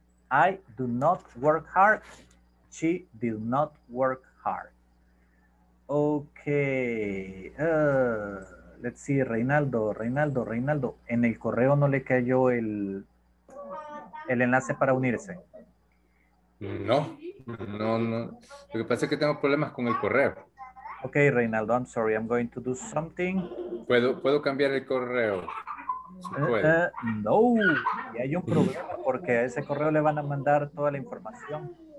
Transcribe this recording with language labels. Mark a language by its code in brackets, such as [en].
[en] I do not work hard. She did not work hard. Okay. let's see, [es] Reinaldo, en el correo no le cayó el enlace para unirse. No. Lo que pasa es que tengo problemas con el correo. [en] Okay, Reinaldo, I'm sorry, I'm going to do something. [es] ¿Puedo cambiar el correo? No, y hay un problema porque a ese correo le van a mandar toda la información.